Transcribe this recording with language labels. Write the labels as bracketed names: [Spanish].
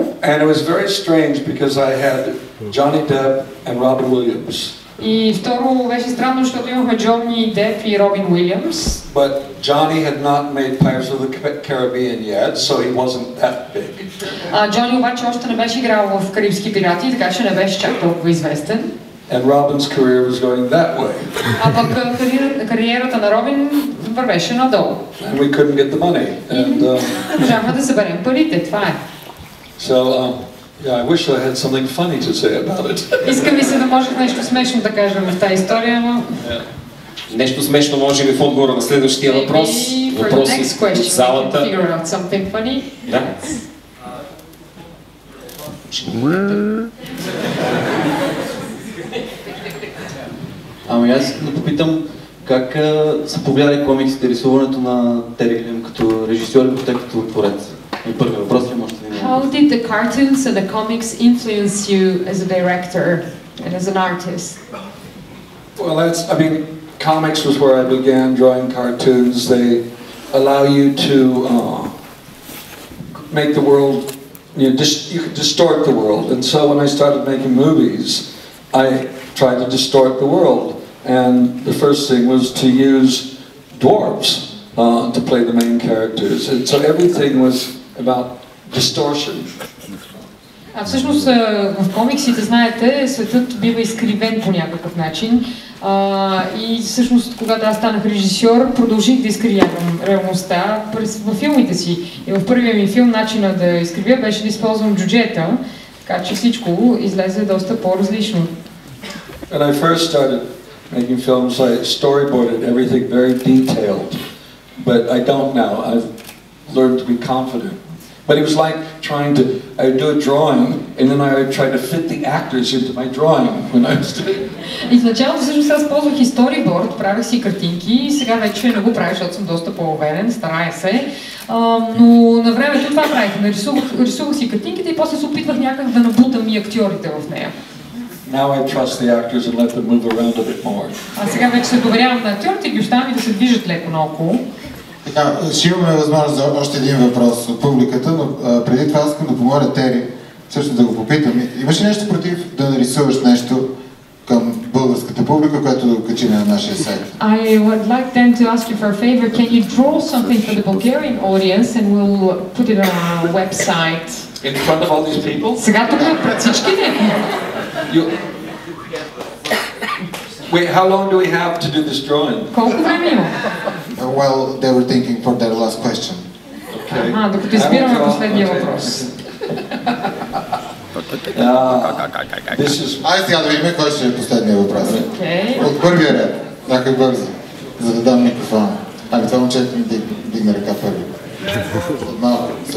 [English] And it was very strange because I had Johnny Depp and Robin Williams. [Bulgarian] И второ беше странно, защото имахме Джонни Деп и Робин Уилямс. [English] But Johnny had not made Pirates of the Caribbean yet, so he wasn't that big. [Bulgarian] А Джонни обаче още не беше играл в Карибски пирати, така че не беше чак толкова известен. [English] And Robin's career was going that way. [Bulgarian] А пък кариерата на Робин вървеше надолу. [English] And we couldn't get the money. [Bulgarian] Трябва да съберем парите, това е. [English] So, yeah, I wish I had something funny to say about it. [Bulgarian] Искам ми се да можех нещо смешно да кажем в тази история, но... Нещо смешно може би в отговора на следващия въпрос. Въпрос из залата. [English] Something funny. [Bulgarian] Да. Ами аз искам да попитам как са повлияли комиксите, рисуването на Тери Гилиам като режисьор и като творец? И първият въпрос ли можете? [English] How did the cartoons and the comics influence you as a director and as an artist? Well, comics was where I began drawing cartoons. They allow you to make the world, you can distort the world. And so when I started making movies, I tried to distort the world. And the first thing was to use dwarves to play the main characters. And so everything was about distortion. [Bulgarian] А всъщност в комиксите, знаете, светът бива изкривен по някакъв начин. И всъщност, когато аз станах режисьор, продължих да изкривявам реалността в филмите си. И в първия ми филм начинът да изкривя беше да използвам джуджета, така че всичко излезе доста по-различно. [English] When I first started making films, I storyboarded everything very detailed. But I don't now. I've learned to be confident. But it was like trying to, I would do a drawing, and then I would try to fit the actors into my drawing when I was doing it. [Bulgarian] Изначално всъщност аз ползвах и сториборд, правих си картинки, сега вече не го правя, защото съм доста по-уверен, старая се. Но на времето това правих, рисувах си картинките и после се опитвах някак да набутам и актьорите в нея. [English] Now I trust the actors and let them move around a bit more. [Bulgarian] А сега вече се доверявам на актьорите и ги оставам и да се движат леко наоколо. Така, ще имаме възможност за още един въпрос от публиката, но преди това искам да помоля Тери, всъщност да го попитам. Имаш ли нещо против да нарисуваш нещо към българската публика, която да качи на нашия сайт? [English] I would like them to ask you for a favor. Can you draw something for the Bulgarian audience and we'll put it on our website? In front of all these people? [Bulgarian] Сега тук пред всички не. [English] Wait, how long do we have to do this drawing? [Bulgarian] Колко време има? [English] Well, they were thinking for their last question. Okay. [Bulgarian] Докато избираме последния въпрос. [English] This is... [Bulgarian] Айде сега да видим кой ще е последния въпрос. [English] Okay. [Bulgarian] От първия ред, някой бързо, за да дам микрофона. Айде това момчето ми дигна ръка първи. Малко.